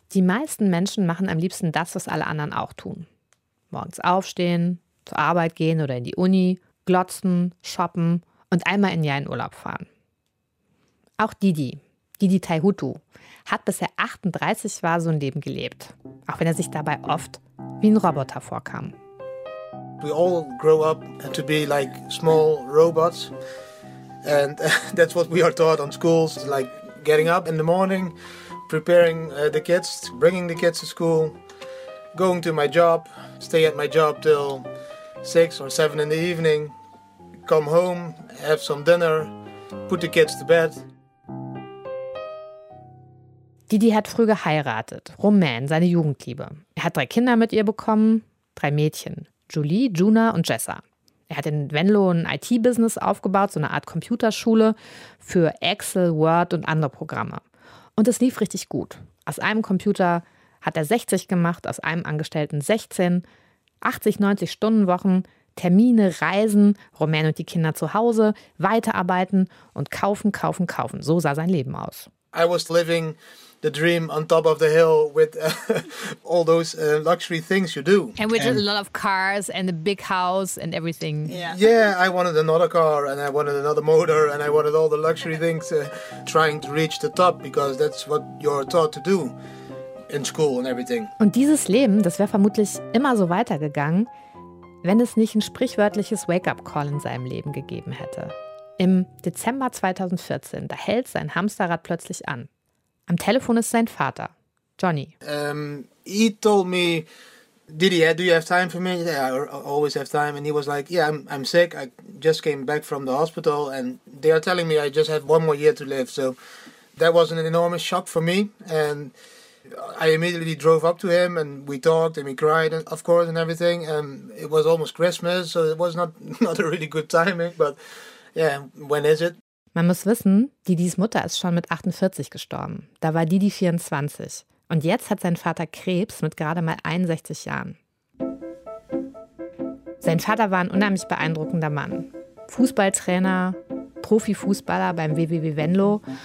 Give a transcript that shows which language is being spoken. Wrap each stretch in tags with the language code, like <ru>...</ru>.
<de>Die meisten Menschen machen am liebsten das, was alle anderen auch tun. Morgens aufstehen, zur Arbeit gehen oder in die Uni, glotzen, shoppen und einmal im Jahr in Urlaub fahren. Auch Didi Taihutu, hat bis er 38 war so ein Leben gelebt. Auch wenn er sich dabei oft wie ein Roboter vorkam.</de> <en>We all grow up to be like small robots, and that's what we are taught on schools, like getting up in the morning, preparing the kids, bringing the kids to school, going to my job, stay at my job till 6 or 7 in the evening, come home, have some dinner, put the kids to bed.</en> <de>Didi hat früh geheiratet, Romain, seine Jugendliebe. Er hat 3 Kinder mit ihr bekommen, 3 Mädchen. Julie, Juna und Jessa. Er hat in Venlo ein IT-Business aufgebaut, so eine Art Computerschule für Excel, Word und andere Programme. Und es lief richtig gut. Aus einem Computer hat er 60 gemacht, aus einem Angestellten 16. 80, 90 Stundenwochen, Termine, Reisen, Romain und die Kinder zu Hause, weiterarbeiten und kaufen, kaufen, kaufen. So sah sein Leben aus.</de> <en>I was living the dream on top of the hill with all those luxury things you do. And with a lot of cars and a big house and everything. Yeah, I wanted another car and I wanted another motor and I wanted all the luxury things, trying to reach the top, because that's what you're taught to do in school and everything.</en> <de>Und dieses Leben, das wäre vermutlich immer so weitergegangen, wenn es nicht ein sprichwörtliches Wake-up-Call in seinem Leben gegeben hätte. Im Dezember 2014, da hält sein Hamsterrad plötzlich an. Am Telefon ist sein Vater, Johnny.</de> <en>He told me, Didi, do you have time for me? Yeah, I always have time. And he was like, yeah, I'm sick. I just came back from the hospital. And they are telling me I just have one more year to live. So that was an enormous shock for me. And I immediately drove up to him and we talked and we cried, and of course, and everything. And it was almost Christmas, so it was not a really good timing. But yeah, when is it?</en> <de>Man muss wissen, Didis Mutter ist schon mit 48 gestorben. Da war Didi 24. Und jetzt hat sein Vater Krebs mit gerade mal 61 Jahren. Sein Vater war ein unheimlich beeindruckender Mann. Fußballtrainer, Profifußballer beim WWW Venlo.</de>